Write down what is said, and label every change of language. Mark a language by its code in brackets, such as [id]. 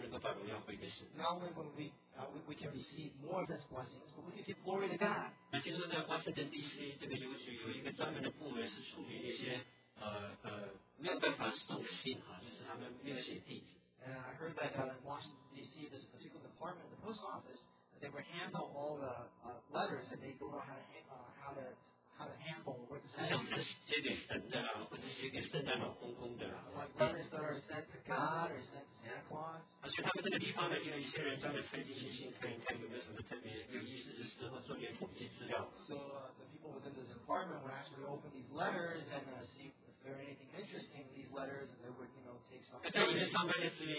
[en] Not only when we can receive more of His blessings, but we can give glory to God. [zh] 听说在华盛顿 DC 这个邮局有一个专门的部门是处理那些没有办法送信啊，就是他们没有写地址。 [en] And I heard that in Washington DC, this particular department, the post office, they would handle all the letters that they don't know how to handle, or to send. So the people within this department would actually open these letters and see if there are anything interesting in these letters, and they would, you know, take